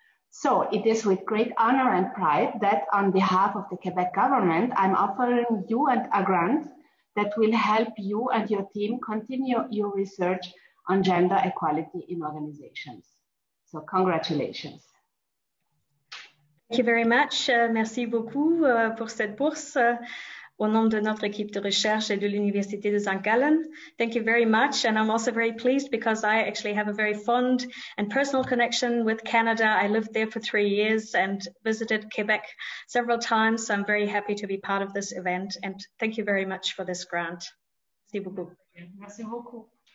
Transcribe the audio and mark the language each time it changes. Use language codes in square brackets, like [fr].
[en] So it is with great honor and pride that on behalf of the Quebec government, I'm offering you and a grant that will help you and your team continue your research on gender equality in organizations. So congratulations. Thank you very much. [fr] Merci beaucoup pour cette bourse au nom de notre équipe de recherche et de l'Université de St.Gallen. [en] Thank you very much. And I'm also very pleased because I actually have a very fond and personal connection with Canada. I lived there for 3 years and visited Quebec several times. So I'm very happy to be part of this event. And thank you very much for this grant. [fr] Merci beaucoup. Merci beaucoup.